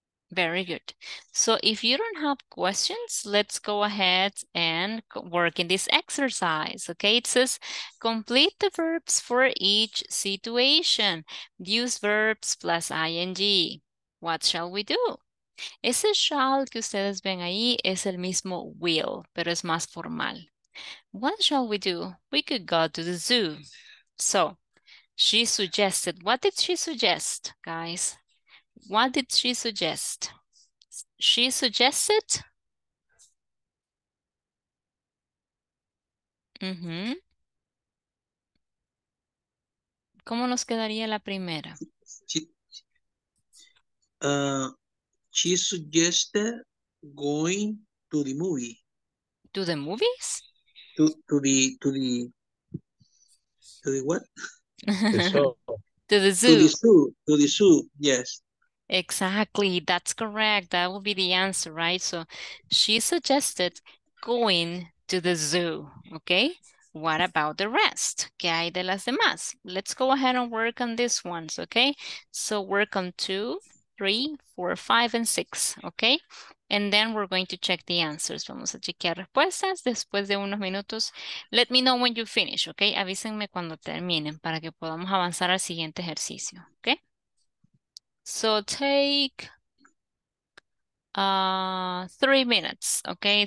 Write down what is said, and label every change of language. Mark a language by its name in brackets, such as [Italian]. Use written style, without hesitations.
[English] Very good. So if you don't have questions, let's go ahead and work in this exercise. Okay, it says complete the verbs for each situation. Use verbs plus ing. What shall we do? [Spanish] Ese shall que ustedes ven ahí es el mismo will, pero es más formal. [English] What shall we do? We could go to the zoo. So she suggested, what did she suggest, guys? What did she suggest? She suggested. Mm-hmm. [Spanish] ¿Cómo nos quedaría la primera? [English] She suggested going to the movie. To the movies? To the what? To the zoo. To the zoo, yes. Exactly, that's correct. That will be the answer, right? So she suggested going to the zoo, okay? What about the rest? [Spanish] ¿Qué hay de las demás? [English] Let's go ahead and work on these ones, okay? So work on 2, 3, 4, 5, and 6, okay? And then we're going to check the answers. [Spanish] Vamos a chequear respuestas después de unos minutos. [English] Let me know when you finish, okay? [Spanish] Avísenme cuando terminen para que podamos avanzar al siguiente ejercicio, okay? [English] So take 3 minutes, okay?